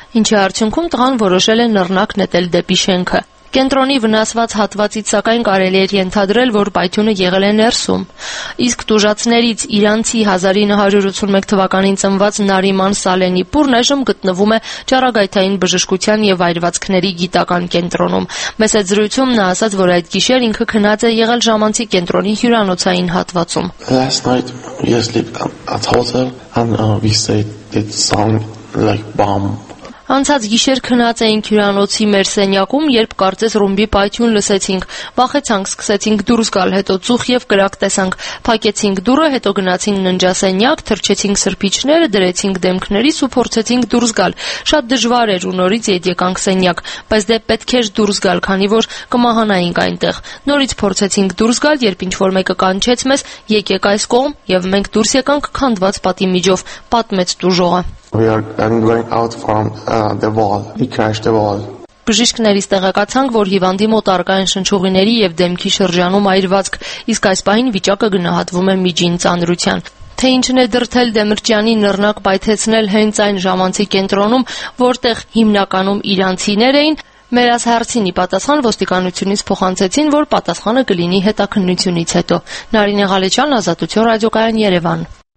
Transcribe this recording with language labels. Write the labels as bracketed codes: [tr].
[hy] ինչի արդյունքում տղան որոշել է նռնակ նետել դեպի շենքը։ Կենտրոնի վնասված հատվածից սակայն կարելի էր ենթադրել, որ պայթյունը եղել է ներսում։ Իսկ տուժածներից իրանցի 1981 թվականին ծնված Նարիման Սալենի Պուրն այժմ գտնվում է ճառագայթային բժշկության եւ այրվածքների գիտական կենտրոնում։ Մեծ զրույցում նա ասաց, որ այդ գիշեր ինքը քնած է եղել ժամանցի կենտրոնի հյուրանոցային հատվածում։ [en] Last night we slept at hotel and we said it sounded like bomb. [hy] Անցած գիշեր քնած էինք հյուրանոցի մեր սենյակում, երբ կարծես ռումբի պայթյուն լսեցինք։ Վախեցանք, սկսեցինք դուրս գալ, հետո ծուխ եւ կրակ տեսանք։ Փակեցինք դուռը, հետո գնացինք ննջասենյակ, թրջեցինք սրբիչները, դրեցինք դեմքներիս ու փորձեցինք դուրս գալ։ Շատ դժվար էր ու նորից ետ եկանք սենյակ, բայց դե պետք էր դուրս գալ, քանի որ կմահանայինք այնտեղ։ Նորից փորձեցինք դուրս գալ, երբ ինչ որ մեկը կանչեց մեզ՝ «Եկեք այս կողմ», եւ մենք դուրս եկանք քանդված պատի միջով, պատմեց տուժողը։ [en] We are going out from the wall. We crashed the wall. [hy] Բժիշկներից տեղեկացանք, որ հիվանդի մոտ առկա են շնչուղիների եւ դեմքի շրջանում այրվածք, իսկ այս պահին վիճակը գնահատվում է միջին ծանրության։ Թե ինչն է դրդել Դեմրճյանի նռնակ պայթեցնել հենց այն ժամանցի կենտրոնում, որտեղ հիմնականում իրանցիներ էին, մեր այս հարցինի պատասխան ոստիկանությունից փոխանցեցին, որ պատասխանը կլինի հետաքննությունից հետո։ Նարինե Ղալեչյան, Ազատություն ռադիոկայան, Երևան։